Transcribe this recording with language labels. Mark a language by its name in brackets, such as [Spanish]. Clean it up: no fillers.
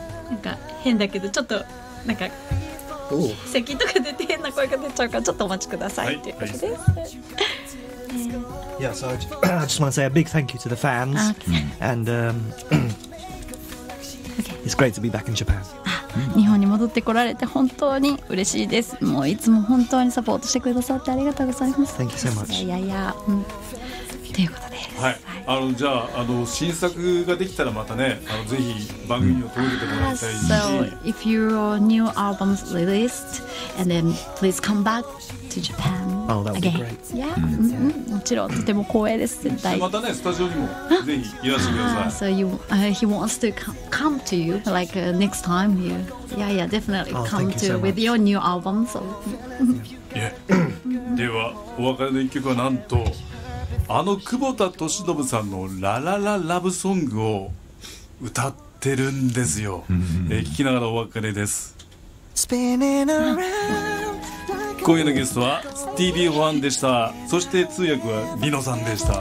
[Japanese] なんか変だけどちょっとなんか咳とか出て変な声が出ちゃうからちょっとお待ちくださいっていうことです。 [English] Yeah, so I just want to say a big thank you to the fans, and it's great to be back in Japan. [Japanese] 日本に戻ってこられて本当に嬉しいです。もういつも本当にサポートしてくださってありがとうございます。 [English] Thank you so much. [Japanese] ということで、はい、あのじゃあ、 あの新作ができたらまたね、あのぜひ番組を届けてもらいたいし、 [English] So if your new album is released, and then please come back to Japan. Oh, that would be great. [Japanese] Then, またね、スタジオにもぜひいらしてください。 [English] So you, he wants to come to you like next time here. Yeah, yeah, definitely come to with your new album. So. [Japanese] では、お別れの一曲はなんと、あの久保田利伸さんのラララブソングを歌ってるんですよ。聞きながらお別れです。今夜のゲストはスティービー・ホワンでした。そして通訳はリノさんでした。